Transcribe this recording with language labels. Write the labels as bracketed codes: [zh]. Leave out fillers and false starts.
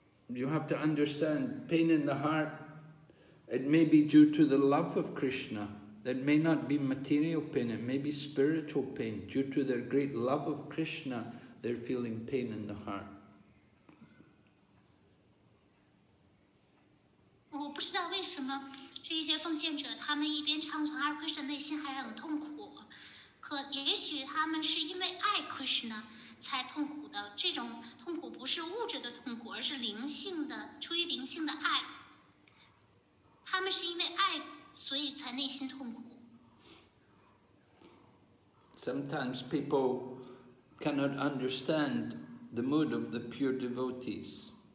[en] You have to understand, pain in the heart, it may be due to the love of Krishna. It may not be material pain, it may be spiritual pain. Due to their great love of Krishna, they're feeling pain in the heart. [zh] 我不知道为什么这一些奉献者他们一边唱诵阿尔奎什内心还很痛苦，可也许他们是因为爱奎什呢才痛苦的，这种痛苦不是物质的痛苦，而是灵性的，出于灵性的爱，他们是因为爱所以才内心痛苦。 [en] Sometimes people cannot understand the mood of the pure devotees.